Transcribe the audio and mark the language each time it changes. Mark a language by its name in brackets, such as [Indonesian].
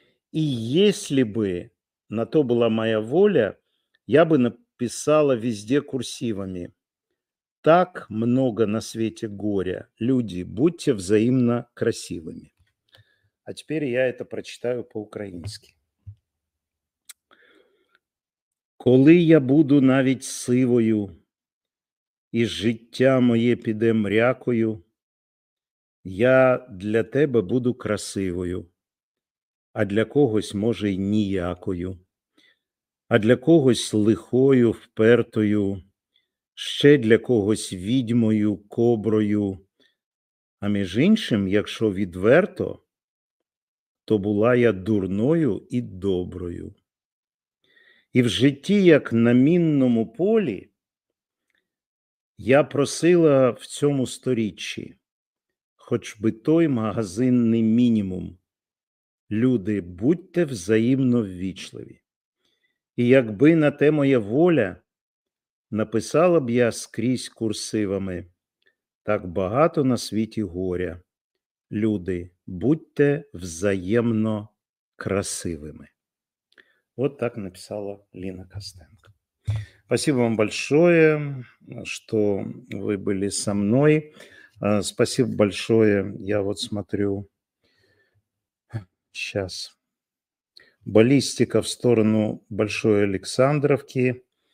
[Russian] И если бы на то была моя воля, я бы написала везде курсивами. Так много на свете горя. Люди, будьте взаимно красивыми. А теперь я это прочитаю по-украински. [Ukrainian] Коли я буду навіть сивою, і життя моє піде мрякою, я для тебе буду красивою, а для когось, може, й ніякою, а для когось лихою, впертою, ще для когось відьмою, коброю. А між іншим, якщо відверто, то була я дурною і доброю. І в житті, як на мінному полі, я просила в цьому сторіччі хоч би той магазинний мінімум. Люди, будьте взаємно ввічливі. І якби на те моя воля, написала б я скрізь курсивами: так багато на світі горя. Люди, будьте взаємно красивими. [Russian] Вот так написала Лина Костенко. Спасибо вам большое, что вы были со мной. Спасибо большое. Я вот смотрю сейчас. Баллистика в сторону Большой Александровки.